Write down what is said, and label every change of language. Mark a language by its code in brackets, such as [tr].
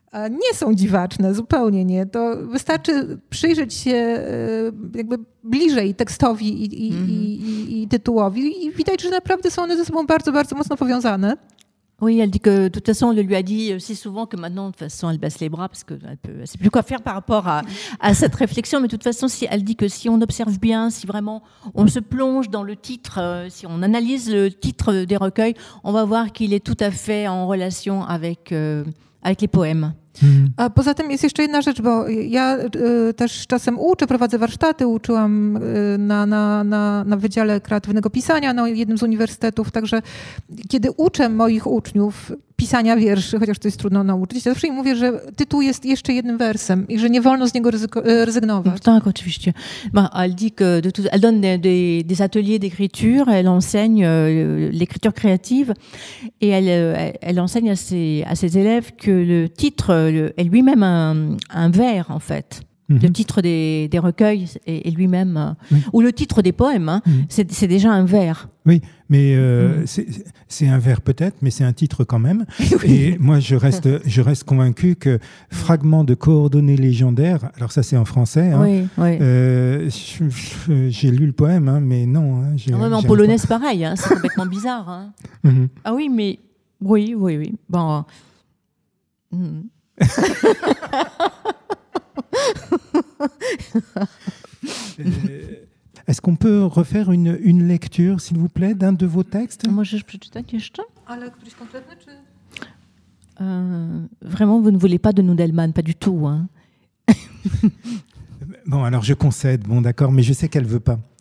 [pl] Nie są dziwaczne, zupełnie nie. To wystarczy przyjrzeć się jakby bliżej tekstowi i tytułowi i widać, że naprawdę są one ze sobą bardzo, bardzo mocno powiązane. [fr] Oui, elle dit que de toute façon, on le lui a dit si souvent que maintenant, de toute façon, elle baisse les bras parce qu'elle ne sait plus quoi faire par rapport à cette réflexion. Mais de toute façon, elle dit que si on observe bien, si vraiment on se plonge dans le titre, si on analyse le titre des recueils, on va voir qu'il est tout à fait en relation avec... avec les poèmes. [pl] A poza tym jest jeszcze jedna rzecz, bo ja też czasem uczę, prowadzę warsztaty, uczyłam na Wydziale Kreatywnego Pisania na jednym z uniwersytetów, także kiedy uczę moich uczniów pisania wierszy, chociaż to jest trudno nauczyć, zawsze im mówię, że tytuł jest jeszcze jednym wersem i że nie wolno z niego rezygnować. Tak, oczywiście. [fr] Elle dit que elle donne des ateliers d'écriture, elle enseigne l'écriture créative et elle enseigne à ses élèves que le titre est lui-même un vers, en fait. Mm-hmm. Le titre des recueils est lui-même... Oui. Ou le titre des poèmes, hein, c'est déjà un vers. Oui, mais c'est un vers peut-être, mais c'est un titre quand même. Oui. Et moi, je reste convaincu que Fragments de coordonnées légendaires, alors ça, c'est en français. Hein, oui, oui. J'ai lu le poème, hein, mais non. Hein, non, mais en polonais, c'est pareil. Hein, c'est complètement bizarre. Hein. Mm-hmm. Ah oui, mais... Oui, oui, oui. Bon... Est-ce qu'on peut refaire une lecture, s'il vous plaît, d'un de vos textes? [pl] Możesz przeczytać jeszcze? Ale któryś konkretny, czy... [fr] Vraiment, vous ne voulez pas de Nudelman, pas du tout. Hein. Bon, alors je concède, bon d'accord, mais je sais qu'elle ne veut pas.